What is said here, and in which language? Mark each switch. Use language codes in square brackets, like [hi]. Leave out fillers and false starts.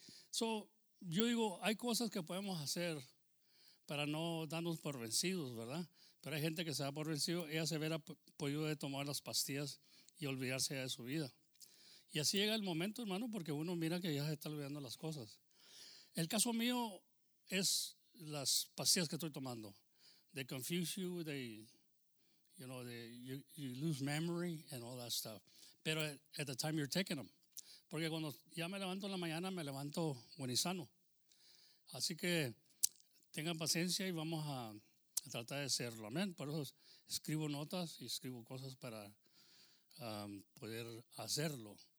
[en] So, [es] yo digo, hay cosas que podemos hacer para no darnos por vencidos, ¿verdad? Pero hay gente que se da por vencido, ella se hubiera podido tomar las pastillas y olvidarse de su vida. Y así llega el momento, hermano, porque uno mira que ya se está olvidando las cosas. El caso mío es las pastillas que estoy tomando. [en] They confuse you, you lose memory and all that stuff. [es] Pero [en] at the time you're taking them. [es] Porque cuando ya me levanto en la mañana, me levanto buen y sano. Así que tengan paciencia y vamos a tratar de hacerlo. Amén. Por eso escribo notas y escribo cosas para poder hacerlo.